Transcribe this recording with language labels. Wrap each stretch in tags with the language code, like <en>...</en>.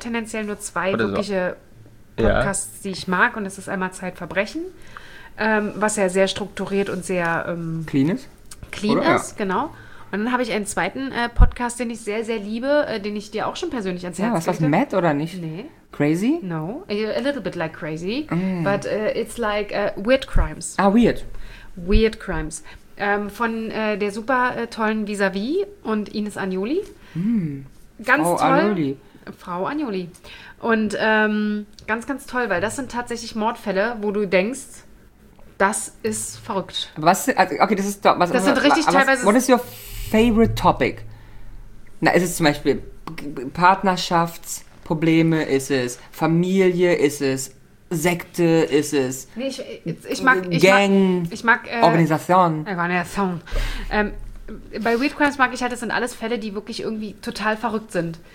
<de>tendenziell nur 2 wirkliche Podcasts, die ich mag. Und das ist einmal Zeitverbrechen, was ja sehr strukturiert und sehr clean ist, genau. Und dann habe ich einen zweiten Podcast, den ich sehr, sehr liebe, den ich dir auch schon persönlich ans Herz lege. Ja, was ist das, Matt oder nicht? Nee.</de> <en>Crazy? No, a little bit like crazy, but it's like weird crimes. Ah, weird. Weird crimes.</en> <de>Von der super tollen Vis-a-vis und Ines Agnoli. Ganz Frau toll. Agnoli. Frau Agnoli. Und ganz, ganz toll, weil das sind tatsächlich Mordfälle, wo du denkst, das ist verrückt.</de> <en>What is your favorite topic?</en> <de>Na, ist es zum Beispiel Partnerschaftsprobleme? Ist es Familie? Ist es Sekte? Ist es Gang? Organisation? Organisation. Bei Weird Crimes mag ich halt, das sind alles Fälle, die wirklich irgendwie total verrückt sind.</de>